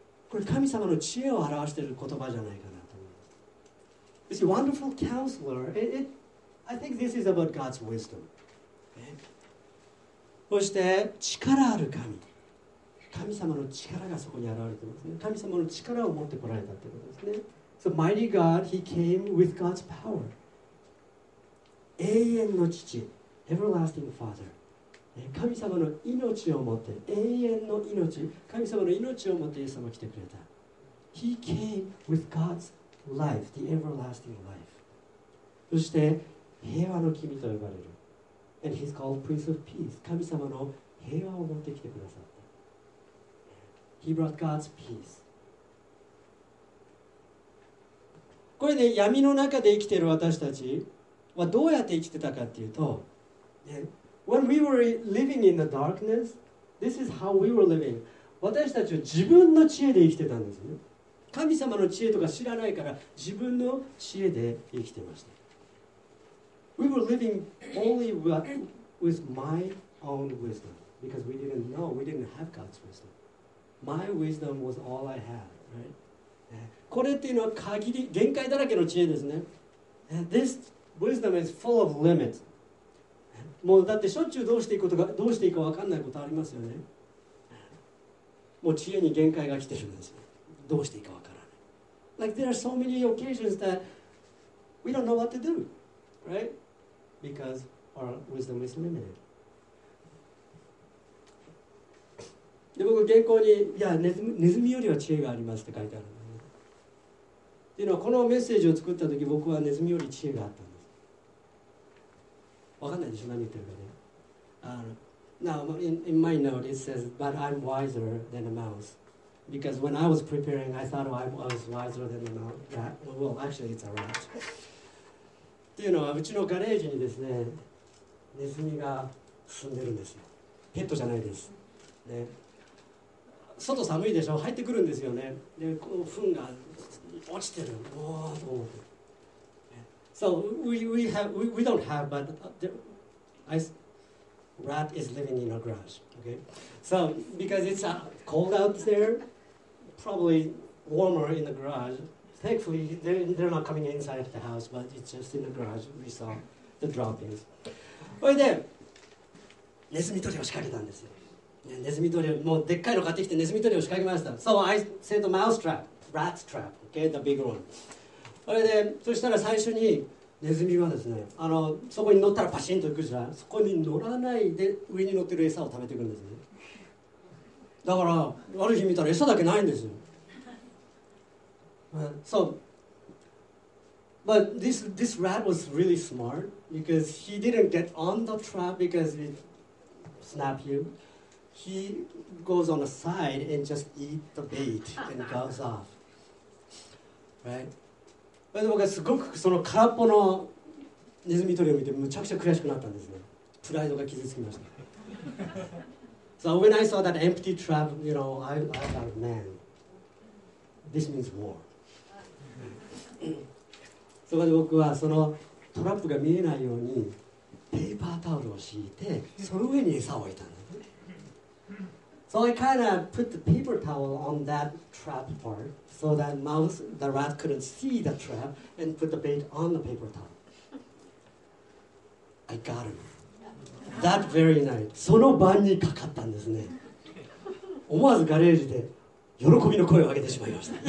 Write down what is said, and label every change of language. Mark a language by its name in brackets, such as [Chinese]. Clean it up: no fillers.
[Japanese] これ神様の知恵を表している言葉じゃないかなと思います。 [English] You see, Wonderful Counselor, I think this is about God's wisdom.、Okay. [Japanese] そして力ある神。神様の力がそこに現れてますね。神様の力を持ってこられたってことですね。 [English] So mighty God, he came with God's power. [Japanese] 永遠の父、 [English] everlasting father. [Japanese] 神様の命を持って、永遠の命、神様の命を持ってイエス様が来てくれた。 [English] He came with God's life, the everlasting life. [Japanese] そして平和の君と呼ばれる。 [English] And he's called Prince of Peace. [Japanese] 神様の平和を持ってきてくださった。 [English] He brought God's peace. [Japanese] これね、闇の中で生きている私たちはどうやって生きてたかっていうと、 [English] When we were living in the darkness, this is how we were living. [Japanese] 私たちは自分の知恵で生きてたんですよ。神様の知恵とか知らないから、自分の知恵で生きてました。 [English] We were living only with my own wisdom because we didn't know, we didn't have God's wisdom. My wisdom was all I had, right? [Japanese] これっていうのは限り、限界だらけの知恵ですね。 [English] This wisdom is full of limits. [Japanese] もうだってしょっちゅうどうしていくことが、どうしていいか分かんないことありますよね。もう知恵に限界が来てるんですよ。どうしていいか分からない。 [English] Like there are so many occasions that we don't know what to do, right? Because our wisdom is limited. [Japanese] で僕原稿にいやネズミよりは知恵がありますって書いてあるんだよね。っていうのはこのメッセージを作った時僕はネズミより知恵があったんです。わかんないでしょ何言ってるかね。 [English] Now in my note it says, but I'm wiser than a mouse. Because when I was preparing, I thought I was wiser than a mouse. Yeah, well, actually, it's a rat. [Japanese] っていうのはうちのガレージにですねネズミが住んでるんですよ。ペットじゃないです、ね、外寒いでしょ入ってくるんですよね。でこう糞が落ちてるおーと思って、ね、 [English] So we don't have but rat is living in our garage、okay? So because it's cold out there probably warmer in the garageThankfully, they're not coming inside of the house, but it's just in the garage. We saw the droppings. [Japanese] それで、ネズミ捕りを仕掛けたんですよ。ネズミ捕り、もうでっかいの買ってきてネズミ捕りを仕掛けました。 [English] So I set a mouse trap, rat trap, okay, the big one. [Japanese] それで、そしたら最初にネズミはですね、そこに乗ったらパシンと行くじゃん。そこに乗らないで上に乗ってる餌を食べていくんですね。だからある日見たら餌だけないんですよ。 [English] So, but this rat was really smart because he didn't get on the trap because it snapped you. He goes on the side and just eat the bait and goes off. Right? [Japanese] 僕はすごくその空っぽのネズミ捕りを見てむちゃくちゃ悔しくなったんですね。プライドが傷つきました。 [English] So when I saw that empty trap, you know, I thought, man, this means war. [Japanese] そこで僕はそのトラップが見えないようにペーパータオルを敷いてその上に餌を置いたんです。 [English] So I kind of put the paper towel on that trap part so that mouse, the rat couldn't see the trap and put the bait on the paper towel. I got him. That very night. [Japanese] その晩にかかったんですね。思わずガレージで喜びの声を上げてしまいました。